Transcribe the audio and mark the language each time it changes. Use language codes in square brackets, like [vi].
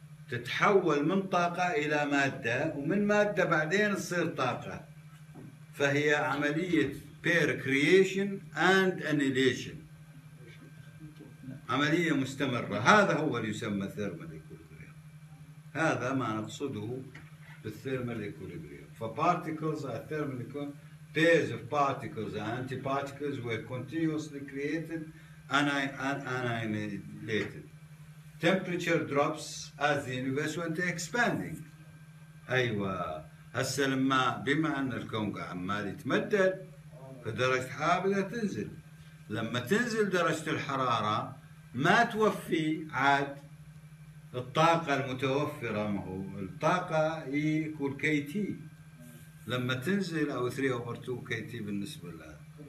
[ar] تتحول من طاقة إلى مادة، ومن مادة بعدين تصير طاقة، فهي عملية [en] pair creation and annihilation، [ar] عملية مستمرة. هذا هو اللي يسمى ثيرمال إيكوليبريم، هذا ما نقصده بالثيرمال إيكوليبريم. [en] فبارتيكلز are thermal equilibrium, pairs of particles and antiparticles were continuously created and annihilated. Temperature drops as the universe went expanding. [ar] أيوة هسه لما بما أن الكون عمال يتمدد فدرجة حرارة تنزل، لما تنزل درجة الحرارة ما توفي عاد الطاقة المتوفرة، ما هو الطاقة يكون كي تي لما تنزل أو 3/2 كي تي بالنسبة لها،